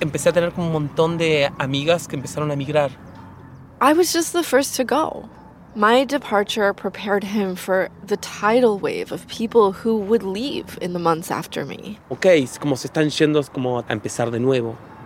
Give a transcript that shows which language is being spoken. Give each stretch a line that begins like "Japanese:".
Spanish: Empecé a tener como un montón de amigas que empezaron a emigrar.
English: I was just the first to go. My departure prepared him for the tidal wave of people who would leave in the months after me.
Spanish: Okay, es como se están yendo, es como a empezar de nuevo.